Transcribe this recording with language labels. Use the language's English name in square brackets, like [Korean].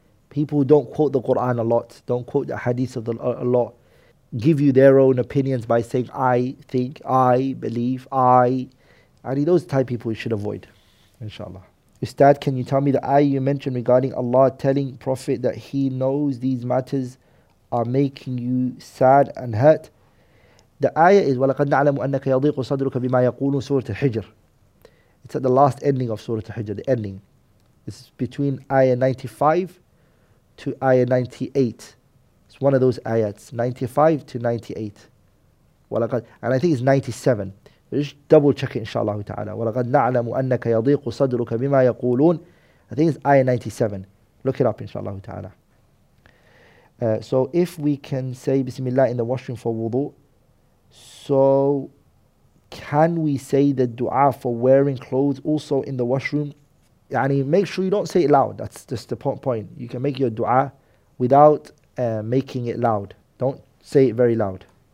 [English] People who don't quote the Quran a lot, don't quote the hadith of a lot, give you their own opinions by saying, I think, I believe, those type of people you should avoid, inshallah. Ustad, can you tell me the ayah you mentioned regarding Allah telling Prophet that He knows these matters are making you sad and hurt? The ayah is, [Arabic] وَلَقَدْ نَعْلَمُ أَنَّكَ يَضِيقُ صَدْرُكَ بِمَا يَقُولُ Surah Al-Hijr. [English] It's at the last ending of Surah Al-Hijr, the ending. It's between ayah 95 to ayah 98. One of those ayats, 95 to 98. And I think it's 97. But just double check it, inshallah ta'ala. [Arabic] وَلَقَدْ نَعْلَمُ أَنَّكَ يَضِيقُ صَدْرُكَ بِمَا يَقُولُونَ [English] I think it's ayah 97. Look it up, inshallah ta'ala. So if we can say Bismillah in the washroom for wudu, so can we say the dua for wearing clothes also in the washroom? Yani make sure you don't say it loud. That's just the point. You can make your dua without making it loud. Don't say it very loud.